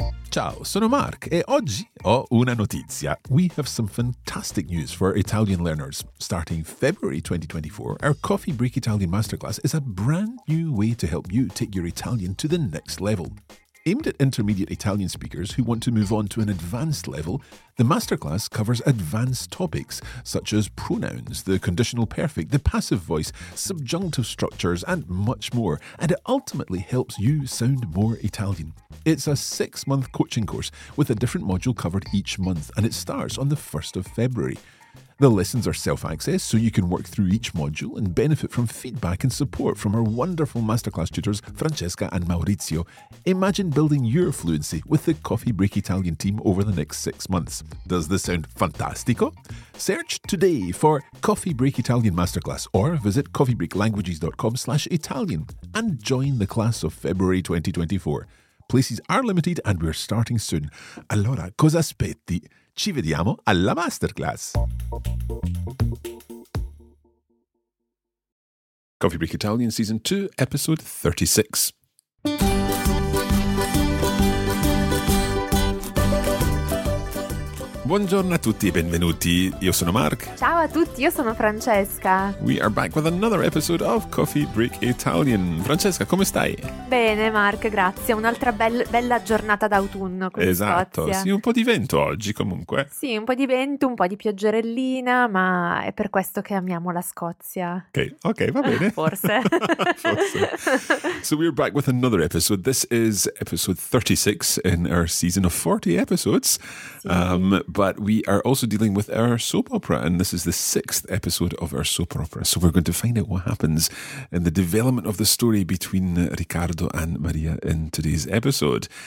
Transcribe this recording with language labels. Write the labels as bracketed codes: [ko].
[it] Ciao, sono Mark e oggi ho una notizia. [en] We have some fantastic news for Italian learners. Starting February 2024, our Coffee Break Italian Masterclass is a brand new way to help you take your Italian to the next level. Aimed at intermediate Italian speakers who want to move on to an advanced level, the masterclass covers advanced topics such as pronouns, the conditional perfect, the passive voice, subjunctive structures, and much more, and it ultimately helps you sound more Italian. It's a six-month coaching course with a different module covered each month, and it starts on the 1st of February. The lessons are self-access, so you can work through each module and benefit from feedback and support from our wonderful masterclass tutors, Francesca and Maurizio. Imagine building your fluency with the Coffee Break Italian team over the next 6 months. Does this sound fantastico? Search today for Coffee Break Italian Masterclass or visit coffeebreaklanguages.com/Italian and join the class of February 2024. Places are limited and we're starting soon. [it] Allora, cosa aspetti? Ci vediamo alla masterclass. Coffee Break Italian Season 2, Episode 36. Buongiorno a tutti e benvenuti. Io sono Mark. Ciao a tutti, io sono Francesca. [en] We are back with another episode of Coffee Break Italian. [it] Francesca, come stai? Bene, Mark, grazie. Un'altra bella giornata d'autunno. Esatto, Scozia. Sì, un po' di vento oggi comunque. Sì, un po' di vento, un po' di pioggerellina, ma è per questo che amiamo la Scozia. Ok, va bene. Forse. Forse. [en] So we are back with another episode. This is episode 36 in our season of 40 episodes. [it] Sì. [en] But we are also dealing with our soap opera, and this is the sixth episode of our soap opera. So we're going to find out what happens in the development of the story between Riccardo and Maria in today's episode.